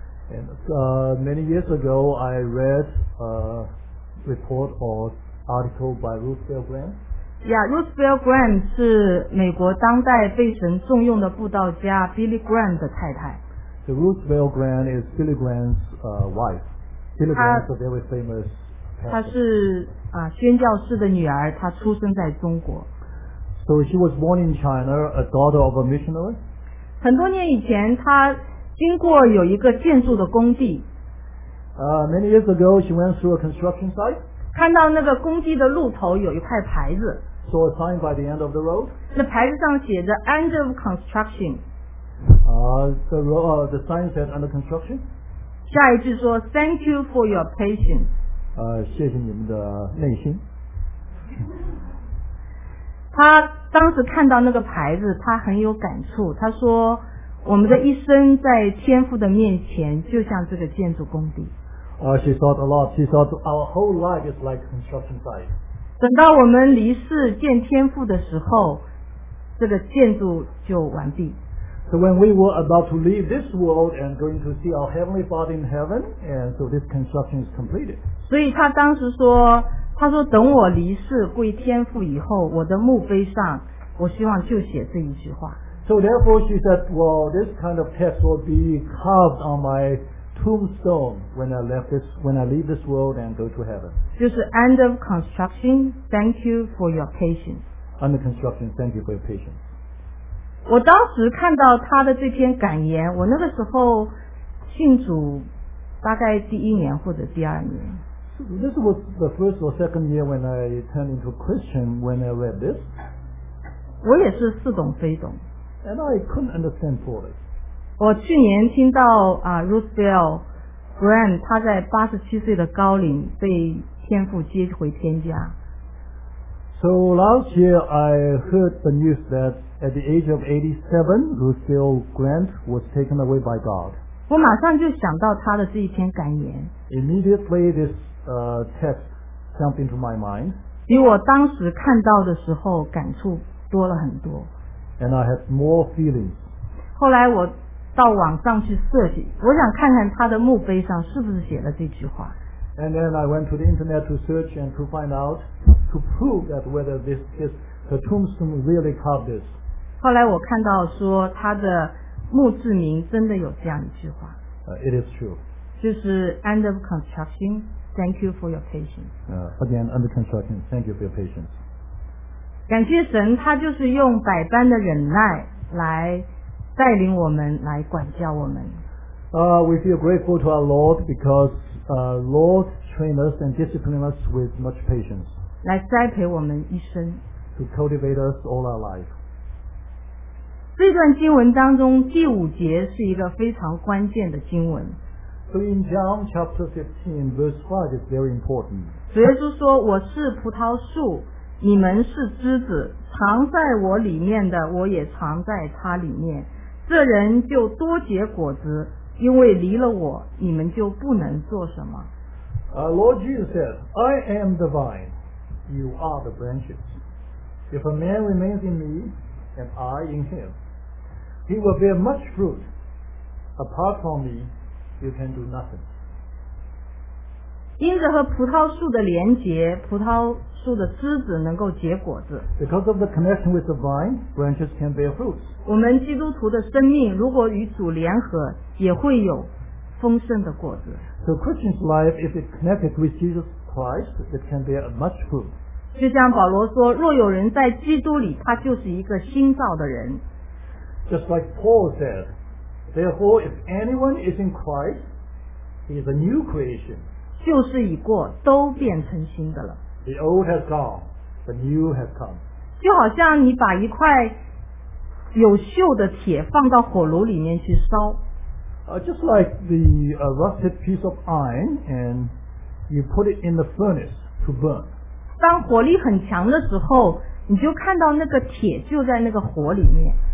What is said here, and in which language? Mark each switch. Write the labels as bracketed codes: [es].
[en] And, many years ago, I read a report or article by Ruth Bell Graham. [zh] Yeah, Ruth Bell Graham 是美国当代被神重用的布道家 Billy Graham 的太太。 [en] So Ruth Bell Graham is Billy Graham's wife. Billy Graham is a very famous pastor. [zh] 她是宣教士的女儿，她出生在中国。 [en] So she was born in China, a daughter of a missionary. [zh] 很多年以前，他经过有一个建筑的工地。 [en] Many years ago, she went through a construction site. [zh] 看到那个工地的路头有一块牌子。 [en] Saw a sign by the end of the road. [zh] 那牌子上写着 [en] "End of construction." The sign said "Under construction." [zh] 下一句说 [en] "Thank you for your patience." [zh] 谢谢你们的耐心。他当时看到那个牌子，他很有感触。他说：“我们的一生在天父的面前，就像这个建筑工地。” [en] She thought a lot. She thought our whole life is like construction site. [zh] 等到我们离世见天父的时候，这个建筑就完毕。 [en] So when we were about to leave this world and going to see our heavenly Father in heaven, and so this construction is completed. [zh] 所以他当时说。他说等我离世归天父以后，我的墓碑上我希望就写这一句话。 [en] So therefore she said, well, this kind of text will be carved on my tombstone when I leave this world and go to heaven. 就是 end of construction, thank you for your patience. Under construction, thank you for your patience. [zh] 我当时看到他的这篇感言，我那个时候信主大概第一年或者第二年。 [en] This was the first or second year when I turned into Christian when I read this. [zh] 我也是似懂非懂。 [en] And I couldn't understand fully. [zh] 我去年听到Ruth Bell Graham 他在87岁的高龄被天父接回天家。 [en] So last year I heard the news that at the age of 87, Ruth Bell Graham was taken away by God. [zh] 我马上就想到他的这一篇感言。 [en] Immediately thisTest jumped into my mind. [zh] 比我当时看到的时候感触多了很多。 [en] And I had more feelings. [zh] 后来我到网上去设计，我想看看他的墓碑上是不是写了这句话。 [en] And then I went to the internet to search and to find out to prove that whether this is the tombstone really carved this. [zh] 后来我看到说他的墓志铭真的有这样一句话。 [en] It is true. 就是 end of construction. Thank you for your patience. Again, under construction. Thank you for your patience. [zh] 感谢神，他就是用百般的忍耐来带领我们，来管教我们。 [en] We feel grateful to our Lord because Lord train us and discipline us with much patience. [zh] 来栽培我们一生。 [en] To cultivate us all our life. [zh] 这段经文当中第五节是一个非常关键的经文。 [en] So in John chapter 15, verse 5 is very important. [zh] 主耶稣说，我是葡萄树，你们是枝子，藏在我里面的，我也藏在他里面。这人就多结果子，因为离了我，你们就不能做什么。 [en] Lord Jesus said, I am the vine, you are the branches. If a man remains in me, and I in him, he will bear much fruit. Apart from me, you can do nothing. [zh] 因着和葡萄树的连结，葡萄树的枝子能够结果子。 [en] Because of the connection with the vine, branches can bear fruits. [zh] 我们基督徒的生命如果与主联合，也会有丰盛的果子。 [en] So Christian's life, if it's connected with Jesus Christ, it can bear much fruit. [zh] 就像保罗说，若有人在基督里，他就是一个新造的人。 [en] Just like Paul said, therefore, if anyone is in Christ, he is a new creation. [zh] 旧事已过，都变成新的了。 [en] The old has gone, the new has come. [zh] 就好像你把一块有锈的铁放到火炉里面去烧。 [en] Just like the rusted piece of iron, and you put it in the furnace to burn. [zh] 当火力很强的时候，你就看到那个铁就在那个火里面。